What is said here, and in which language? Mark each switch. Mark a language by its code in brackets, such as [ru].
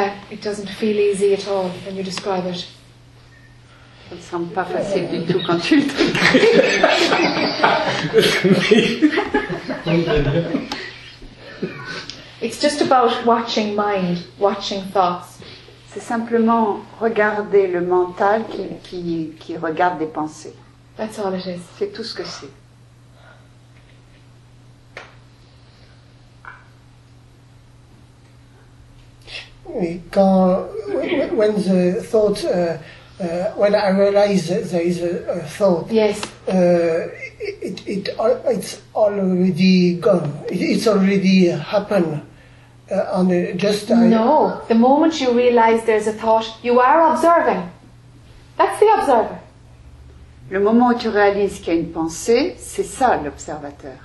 [en] It doesn't feel easy at all when you describe it. [fr] Ça ne semble pas facile du tout quand tu le décris. [en] It's just about watching mind, watching thoughts. [fr] C'est simplement regarder le mental qui regarde des pensées. [en] That's all it is. [fr] C'est tout ce que c'est. Et quand [en] when the thought when I realize there is a thought, yes, it's already gone. It's already happened. No, the moment you realize there's a thought, you are observing. That's the observer. [fr] Le moment où tu réalises qu'il y a une pensée, c'est ça l'observateur.